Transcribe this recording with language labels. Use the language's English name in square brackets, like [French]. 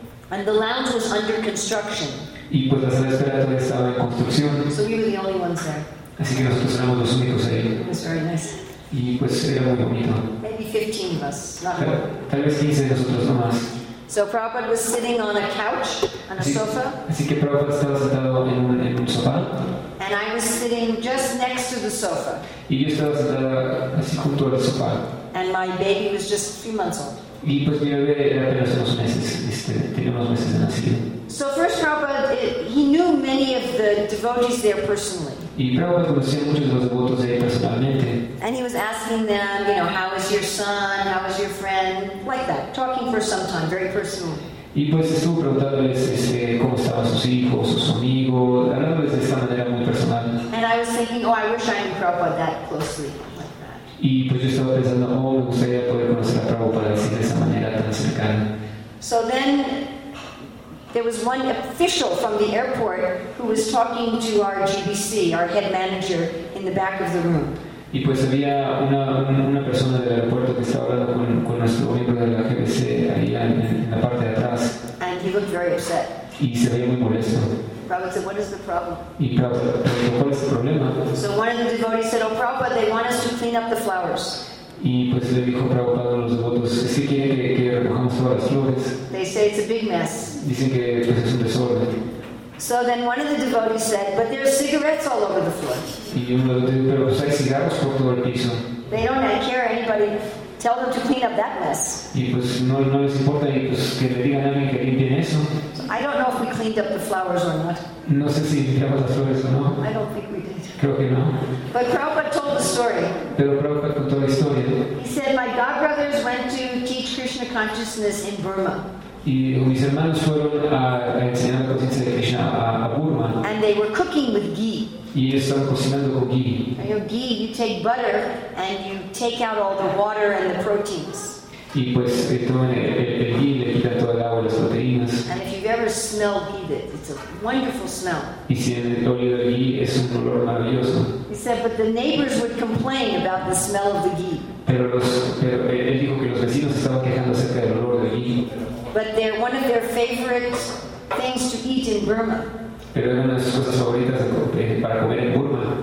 [English] And the lounge was under construction. [Spanish] Y pues la sala de espera todavía estaba en construcción. [English] So we were the only ones there. [Spanish] Así que nosotros éramos los únicos ahí. [English] It was very nice. [Spanish] Y pues era muy bonito. [English] Maybe 15 of us, not more. [Spanish] Tal vez 15 de nosotros no más. [English] So Prabhupada was sitting on a couch, on a sofa. [Spanish] Así que Prabhupada estaba sentado en un sofá. [English] And I was sitting just next to the sofa. [Spanish] Y yo estaba sentada así junto al sofá. [English] And my baby was just a few months old. [Spanish] Y pues mi bebé era apenas unos meses, tenía unos meses de nacido. [English] So first Prabhupada, he knew many of the devotees there personally. [Spanish] Y Prabhupada conocía muchos de los devotos de ahí personalmente. [English] And he was asking them, you know, how is your son, how is your friend, like that, talking for some time, very personally. [Spanish] Y pues estuvo preguntándoles cómo estaban sus hijos, sus amigos, hablándoles de esta manera muy personal. [English] And I was thinking, oh, I wish I could Prabhupada that closely like that. [Spanish] Y pues yo estaba pensando, oh, me gustaría poder conocer a Prabhupada así de esa manera tan cercana. [English] So then there was one official from the airport who was talking to our GBC, our head manager, in the back of the room. [Spanish] Y pues había una persona del aeropuerto que estaba hablando con nuestro miembro de la GBC ahí en la parte de atrás. [English] And he looked very upset. [Spanish] Y se veía muy molesto. [English] Prabhupada said, what is the problem? [Spanish] Y Prabhupada dijo, ¿cuál es el problema? [English] So one of the devotees said, oh Prabhupada, they want us to clean up the flowers. [Spanish] Y pues le dijo Prabhupada a los devotos, ¿sí quieren que recojamos todas las flores? [English] They say it's a big mess. [Spanish] Dicen que pues, es un desorden. [English] So then one of the devotees said, but there are cigarettes all over the floor. [Spanish] Y uno de los devotos, hay cigarros por todo el piso. [English] They don't care anybody. Tell them to clean up that mess. [Spanish] Y pues no les importa y pues que le digan a alguien que limpien eso. [English] So I don't know if we cleaned up the flowers or not. [Spanish] No sé si limpiamos las flores o no. [English] I don't think we did. [Spanish] Creo que no. [English] But Prabhupada told the story. [Spanish] Pero Prabhupada contó la historia. [English] He said, my god brothers went to teach Krishna consciousness in Burma. [Spanish] Y mis hermanos fueron a enseñar la conciencia de Krishna a Burma. [English] And they were cooking with ghee. [Spanish] Y ellos estaban cocinando con ghee. [English] And your ghee, you take butter and you take out all the water and the proteins. [Spanish] Y pues toman el ghee, le quitan todo el agua y las proteínas. [English] And if you've ever smelled ghee, it's a wonderful smell. [Spanish] Y si en el olor del ghee es un olor maravilloso. [English] He said, but the neighbors would complain about the smell of the ghee. [Spanish] Pero él dijo que los vecinos estaban quejando acerca del olor del ghee. [English] But they're one of their favorite things to eat in Burma. [Spanish] Pero eran unas cosas favoritas para comer en Burma.